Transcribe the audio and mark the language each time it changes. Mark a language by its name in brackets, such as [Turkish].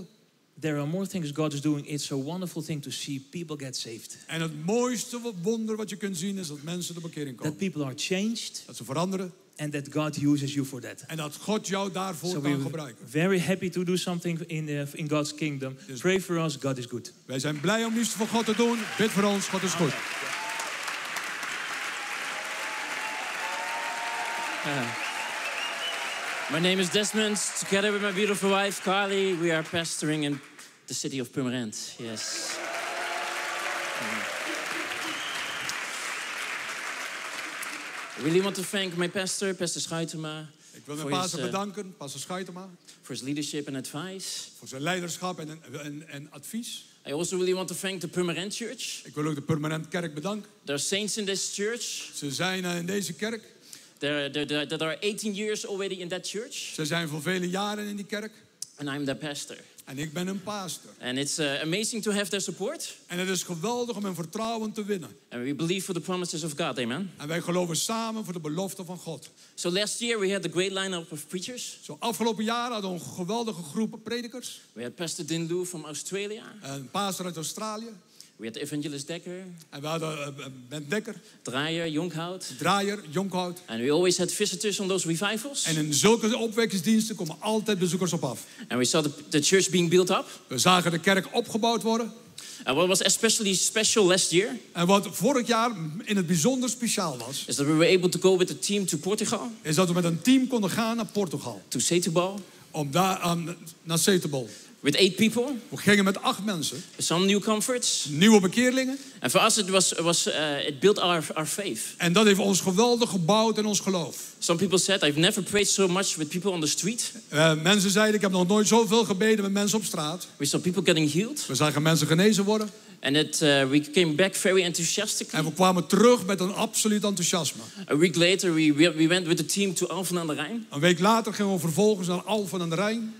[English] And there are more things God is doing. It's a wonderful thing to see people get saved. [Dutch] En het mooiste wonder wat je kunt zien is dat mensen tot bekering komen. [English] That people are changed. [Dutch] Dat ze veranderen. [English] And that God uses you for that. [Dutch] En dat God jou daarvoor [English] so [Dutch] kan [English] we're [Dutch] gebruiken. [English] Very happy to do something in God's kingdom. [Dutch] Dus [English] pray for us, God is good. [Dutch] Wij zijn blij om iets voor God te doen. Bid voor ons, God is goed. [English] My name is Desmond. Together with my beautiful wife Carly, we are pastoring in the city of Purmerend. Yes. I really want to thank my pastor, Pastor Schuitema. [Dutch] Ik wil mijn pastor bedanken, Pastor Schuitema. [English] For his leadership and advice. [Dutch] Voor zijn leiderschap en advies. [English] I also really want to thank the Purmerend Church. [Dutch] Ik wil ook de Purmerend Kerk bedanken. [English] There are saints in this church. [Dutch] Ze zijn in deze kerk. [English] There are 18 years already in that church. [Dutch] Ze zijn voor vele jaren in die kerk. [English] And I'm their pastor. [Dutch] En ik ben hun pastor. [English] And it's amazing to have their support. [Dutch] En het is geweldig om hun vertrouwen te winnen. [English] And we believe for the promises of God, amen. [Dutch] En wij geloven samen voor de belofte van God. [English] So last year we had a great lineup of preachers. [Dutch] Zo afgelopen jaar hadden we een geweldige groep predikers. [English] We had Pastor Dindu from Australia. [Dutch] Een pastor uit Australië. [English] We had Evangelist Dekker. [Dutch] En we hadden Bent Dekker. Draaier Jonkhout. [English] And we always had visitors on those revivals. [Dutch] En in zulke opwekkingsdiensten komen altijd bezoekers op af. [English] And we saw the church being built up. [Dutch] We zagen de kerk opgebouwd worden. [English] And what was especially special last year? [Dutch] En wat vorig jaar in het bijzonder speciaal was. [English] Is that we were able to go with the team to Portugal. [Dutch] Is dat we met een team konden gaan naar Portugal. [English] To Setúbal. [Dutch] Om daar naar Setúbal. [English] With 8 people. [Dutch] We gingen met 8 mensen. [English] Some new converts. [Dutch] Nieuwe bekeerlingen. [English] And for us it built our faith. [Dutch] En dat heeft ons geweldig gebouwd in ons geloof. [English] Some people said I've never prayed so much with people on the street. [Dutch] Mensen zeiden ik heb nog nooit zoveel gebeden met mensen op straat. [English] We saw people getting healed. [Dutch] We zagen mensen genezen worden. [English] And we came back very enthusiastically. [Dutch] En we kwamen terug met een absoluut enthousiasme. [English] A week later we went with the team to Alphen aan de Rijn. [Dutch] Een week later gingen we vervolgens naar Alphen aan de Rijn.